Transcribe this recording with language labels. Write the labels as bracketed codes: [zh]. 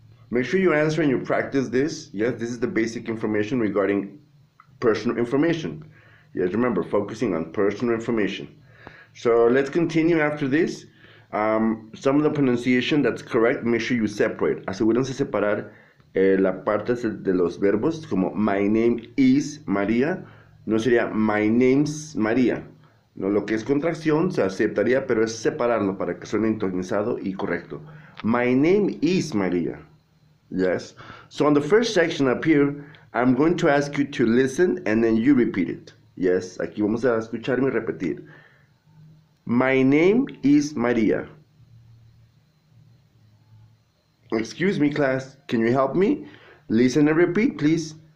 [en] Make sure you answer and you practice this. Yes, this is the basic information regarding personal information. Yes, remember, focusing on personal information. So, let's continue after this. Some of the pronunciation that's correct, make sure you separate. [es] Asegúrense separar la parte de los verbos, como [en] my name is María, [es] no sería [en] my name's María. [es] No, lo que es contracción se aceptaría, pero es separarlo para que suene entonizado y correcto. [en] My name is María. Yes. So on the first section up here, I'm going to ask you to listen and then you repeat it. [es] Yes, aquí vamos a escucharme repetir. [en] My name is María. Excuse me, class. Can you help me? Listen and repeat, please.